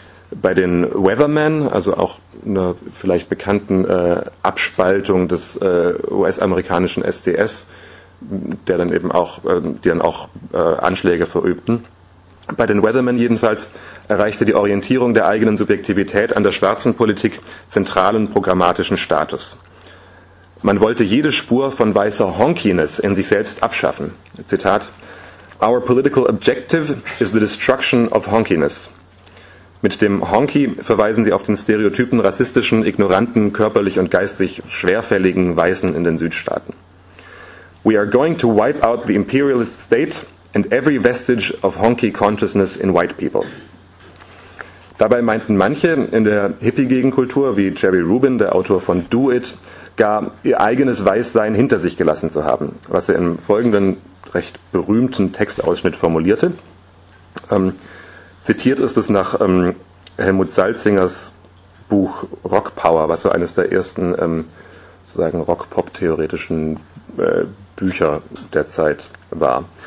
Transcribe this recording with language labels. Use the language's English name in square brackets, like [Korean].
[German] Bei den Weathermen, also auch einer vielleicht bekannten Abspaltung des US-amerikanischen SDS, die dann auch Anschläge verübten. Bei den Weathermen jedenfalls erreichte die Orientierung der eigenen Subjektivität an der schwarzen Politik zentralen programmatischen Status. Man wollte jede Spur von weißer Honkiness in sich selbst abschaffen. Zitat: [English] Our political objective is the destruction of Honkiness. [German] Mit dem Honky verweisen sie auf den stereotypen, rassistischen, ignoranten, körperlich und geistig schwerfälligen Weißen in den Südstaaten. [English] We are going to wipe out the imperialist state and every vestige of Honky consciousness in white people. [German] Dabei meinten manche in der Hippie-Gegenkultur, wie Jerry Rubin, der Autor von Do It, gar ihr eigenes Weißsein hinter sich gelassen zu haben, was er im folgenden recht berühmten Textausschnitt formulierte. Zitiert ist es nach Helmut Salzingers Buch Rock Power, was so eines der ersten sozusagen Rock-Pop-theoretischen Bücher der Zeit war.